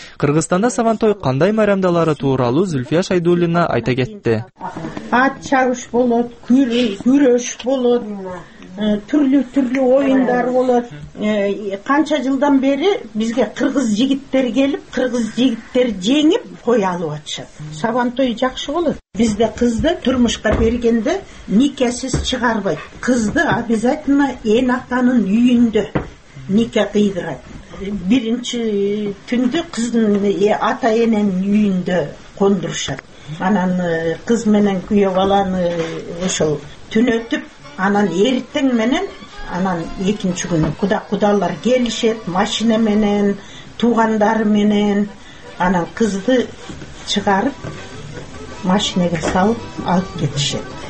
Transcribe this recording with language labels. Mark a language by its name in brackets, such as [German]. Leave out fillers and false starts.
[Kyrgyz] Кыргызстанда саван той кандай майрамдалары тууралуу Зүлфия Шайдулина айта кетти. Ат чагыш болот, күрөш болот, түрлүү оюндар болот. Канча жылдан бери бизге кыргыз жигиттер келип, кыргыз жигиттер жеңип, [Kazakh] қой алып отшады. Сабан той жақшы болады. Бізде қызды тұрмышқа бергенде никесіз шығарбайды. Қызды обязательно ен атаның үйінде нике қидырады. Бірінші түнде қыздың ата ененің үйінде қондырышады. [Kyrgyz] Анан қыз менен күйеу баланы ошол түнөтүп, анан эртең менен анан экинчи күнү куда-кудалар келишет, машина менен, туугандары менен, анан кызды чыгарып машинага салып алып кетишет.